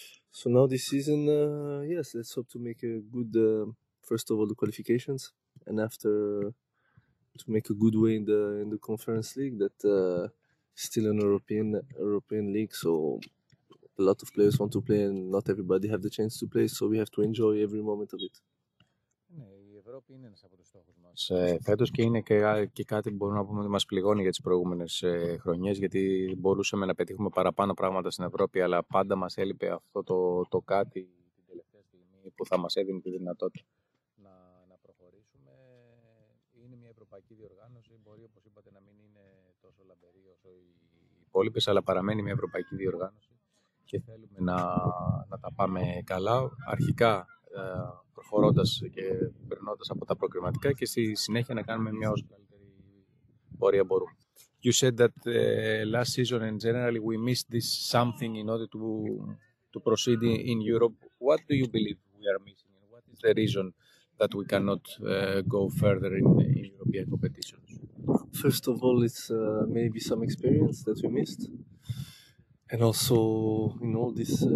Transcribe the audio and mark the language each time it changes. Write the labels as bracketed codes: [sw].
[en] So now this season, yes, let's hope to make a good, first of all, the qualifications, and after to make a good way in the Conference League, that still an European league, so a lot of players want to play and not everybody have the chance to play, so we have to enjoy every moment of it. [el] Είναι ένας από τους στόχους μας φέτος και είναι και κάτι που μπορούμε να πούμε ότι μας πληγώνει για τις προηγούμενες χρονιές, γιατί μπορούσαμε να πετύχουμε παραπάνω πράγματα στην Ευρώπη, αλλά πάντα μας έλειπε αυτό το κάτι την τελευταία στιγμή που θα μας έδινε τη δυνατότητα να προχωρήσουμε. Είναι μια ευρωπαϊκή διοργάνωση, μπορεί όπως είπατε να μην είναι τόσο λαμπερή όσο οι υπόλοιπες, αλλά παραμένει μια ευρωπαϊκή διοργάνωση και θέλουμε να τα πάμε καλά. Αρχικά προχωρώντας και περνώντας από τα προκριματικά και στη συνέχεια να κάνουμε μια όσο καλύτερη πορεία μπορούμε. [en] You said that last season in generally we missed this something in order to proceed in Europe. What do you believe we are missing? What is the reason that we cannot go further in European competitions? First of all, it's maybe some experience that we missed, and also in all this